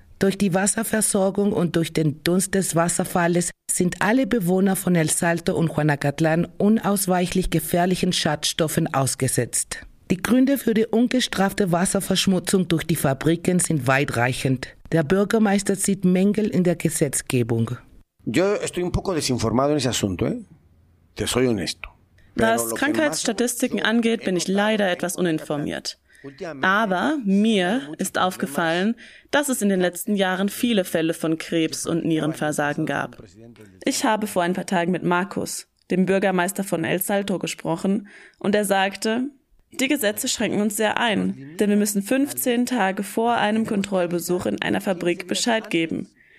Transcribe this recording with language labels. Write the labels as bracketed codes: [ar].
[de] Durch die Wasserversorgung und durch den Dunst des Wasserfalles sind alle Bewohner von El Salto und Juanacatlán unausweichlich gefährlichen Schadstoffen ausgesetzt. Die Gründe für die ungestrafte Wasserverschmutzung durch die Fabriken sind weitreichend. Der Bürgermeister sieht Mängel in der Gesetzgebung. [es] Yo estoy un poco desinformado en ese asunto, Te soy honesto. [de] Was Krankheitsstatistiken angeht, bin ich leider etwas uninformiert. Aber mir ist aufgefallen, dass es in den letzten Jahren viele Fälle von Krebs und Nierenversagen gab. Ich habe vor ein paar Tagen mit Markus, dem Bürgermeister von El Salto, gesprochen und er sagte, die Gesetze schränken uns sehr ein, denn wir müssen 15 Tage vor einem Kontrollbesuch in einer Fabrik Bescheid geben.